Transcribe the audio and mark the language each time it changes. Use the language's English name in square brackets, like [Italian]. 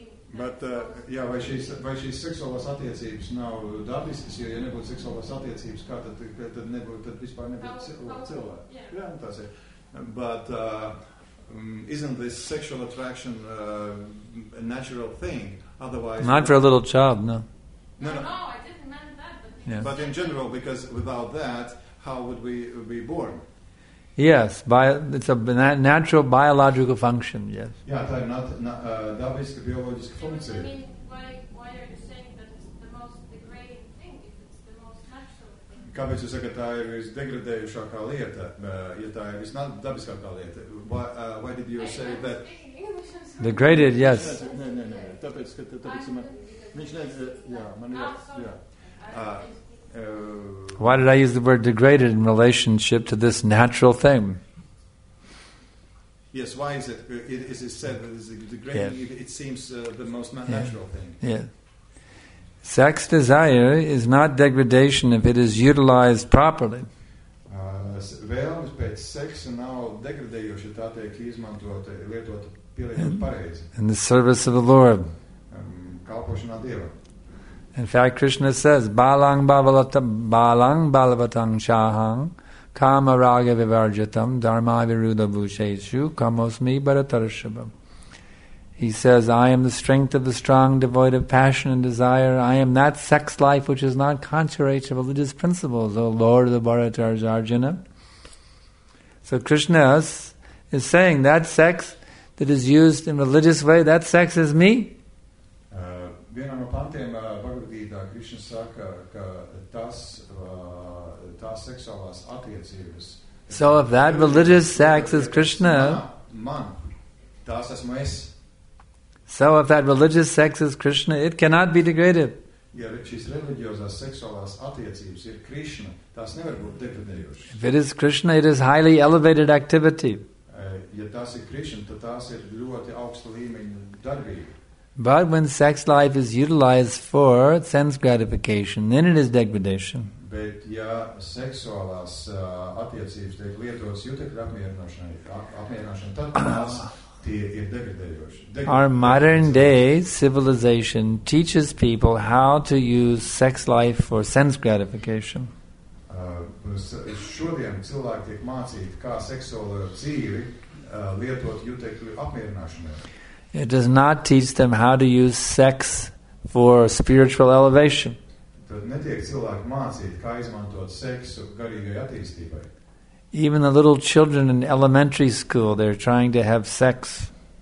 [Latvian] Bet, jā, vai šīs seksuālās attiecības nav dabiskas, jo, ja nebūtu seksuālās attiecības, kā tad, tad nebūtu, tad vispār nebūtu cilvēki. [English] Yeah. [Latvian] Jā, tas ir. [English] But isn't this sexual attraction a natural thing? Otherwise, not for a little child, no. No, I didn't mean that. But, but in general, because without that, how would we be born? Yes, it's a natural biological function, yes. Yeah, that's not [Latvian] dabiska biologiska [English] funkcija. I mean, why are you saying that it's the most degrading thing, if it's the most natural thing? [Latvian] Kāpēc jūs sakat, tā ir visdegradējušākā lieta, ja tā ir visdabiskākā lieta? [English] Why did you say that? Degraded, yes. [Latvian] Nē, tāpēc, ka tāpēc man... Viņš nezinu, jā, man ir... [English] Why did I use the word degraded in relationship to this natural thing? Yes, why is it? Is it said that it's degrading? Yes. It seems the most natural thing. Yes. Sex desire is not degradation if it is utilized properly. [Latvian] Vēlms pēc seksa nav degradējoši, tā teikt, izmantot, lietot, pielietot pareizi. [English] In the service of the Lord. [Latvian] Kalpošanā Dievam. [English] In fact, Krishna says, [Sanskrit] Balang Bhavalata Balang Balavatang Shahang Kama Raga Vivarjatam Dharma Viruda Vusheshu Kamosmi Bharatarshabam. [English] He says, I am the strength of the strong, devoid of passion and desire. I am that sex life which is not contrary to religious principles, O Lord of the Bharatars Arjuna. So Krishna is saying that sex that is used in religious way, that sex is me. [Latvian] Vienā no pantiem Bhagavad-gītā Krišna saka, ka tas tās seksuālās attiecības. [English] So if that religious sex is Krishna, [Latvian] man, tās esmu es. [English] So if that religious sex is Krishna, it cannot be degraded. [Latvian] Ja šīs religiozās seksuālās attiecības ir Krišna, tās nevar būt degradējošas. [English] If it is Krishna, it is highly elevated activity. [Latvian] Ja tās ir Krišna, tad tās ir ļoti augsta līmeņa darbība. [English] But when sex life is utilized for sense gratification, then it is degradation. [Latvian] Bet ja seksuālās attiecības tiek lietotas jutekļu apmierināšanai, tad tās tie ir degradējoši. [English] Our modern day civilization teaches people how to use sex life for sense gratification. [Latvian] Šodien cilvēki tiek mācīti, kā seksuālo dzīvi lietot jutekļu apmierināšanai. [English] It does not teach them how to use sex for spiritual elevation. Even the little children in elementary school, they're trying to have sex.